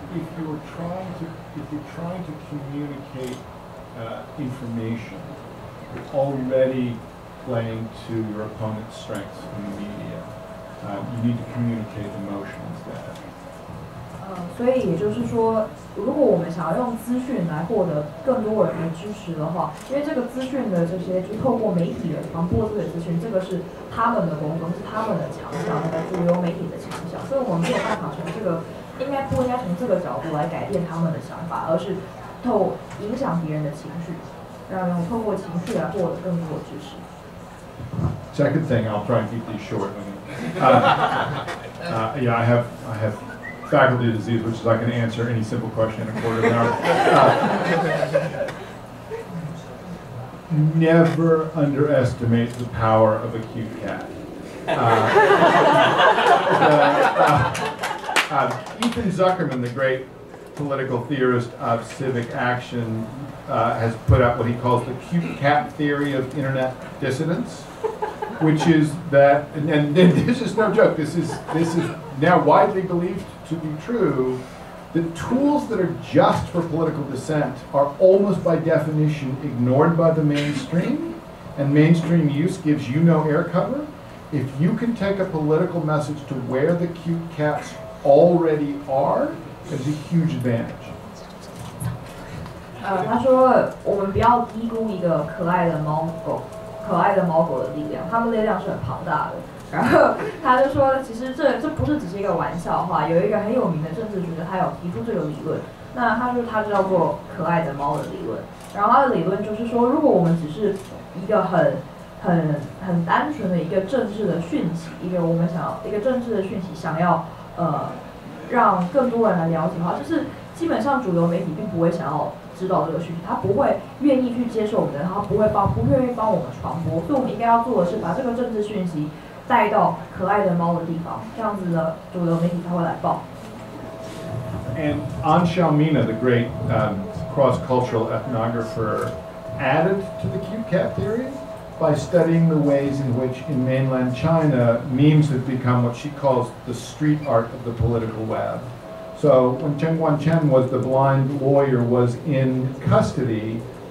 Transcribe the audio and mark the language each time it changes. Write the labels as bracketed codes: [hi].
[en] If you're trying to communicate information, you're already playing to your opponent's strengths in the media. You need to communicate emotions there. [zh] 所以也就是说，如果我们想要用资讯来获得更多人的支持的话，因为这个资讯的这些就透过媒体的传播这个资讯，这个是他们的工作，是他们的强项，来自于媒体的强项，所以我们没有办法从这个。应该不应该从这个角度来改变他们的想法，而是透影响别人的情绪，让人透过情绪来获得更多的知识。 [en] Second thing, I'll try and keep these short. I have faculty disease, which is I can answer any simple question in a quarter of an hour. Never underestimate the power of a cute cat. Ethan Zuckerman, the great political theorist of civic action, has put out what he calls the cute cat theory of internet dissonance, which is that, and this is no joke, this is now widely believed to be true, that tools that are just for political dissent are almost by definition ignored by the mainstream, and mainstream use gives you no air cover. If you can take a political message to where the cute cats already are, is a huge advantage. [zh] 他说我们不要低估一个可爱的猫狗，可爱的猫狗的力量，它们力量是很庞大的。然后他就说，其实这不是只是一个玩笑话，有一个很有名的政治学者，他有提出这个理论。那他说他叫做可爱的猫的理论。然后他的理论就是说，如果我们只是一个很单纯的一个政治的讯息，一个我们想要一个政治的讯息，想要让更多人来了解的话，就是基本上主流媒体并不会想要知道这个讯息，他不会愿意去接受我们的，他不愿意帮我们传播。所以我们应该要做的是把这个政治讯息带到可爱的猫的地方，这样子的主流媒体才会来报。 [en] And An Xiaomina, the great cross-cultural ethnographer, added to the cute cat theory. By studying the ways in which in mainland China, memes have become what she calls the street art of the political web. So when Chen Guanchen was the blind lawyer was in custody,